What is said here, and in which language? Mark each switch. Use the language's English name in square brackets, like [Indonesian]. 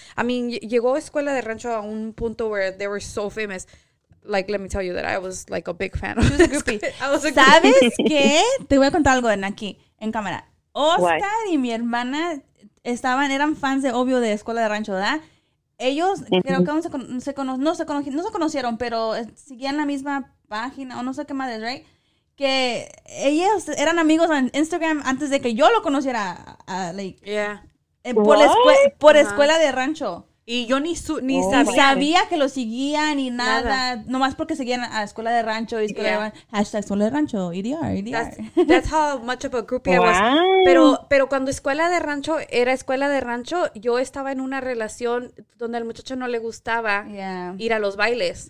[English] I mean, [Spanish] llegó Escuela de Rancho a un punto [English] where they were so famous. Like, let me tell you that I was, like, a big fan. She was a groupie. [Spanish] ¿Sabes qué? Te voy a contar algo aquí, en cámara. [English] Oscar what? [Spanish] Y mi hermana eran fans de, obvio, de Escuela de Rancho, ¿verdad? Ellos creo que aún no se conocieron, pero seguían la misma página o no sé qué madre, [English] right? [Spanish] Que ellos eran amigos en Instagram antes de que yo lo conociera like, [English] yeah. [Spanish] por Escuela de Rancho. Y yo ni sabía que lo seguía ni nada, nomás porque seguían a Escuela de Rancho y Escuela hashtag Escuela de Rancho, EDR. [English] That's how much of a groupie I was. [Spanish] Pero cuando Escuela de Rancho era Escuela de Rancho, yo estaba en una relación donde al muchacho no le gustaba ir a los bailes.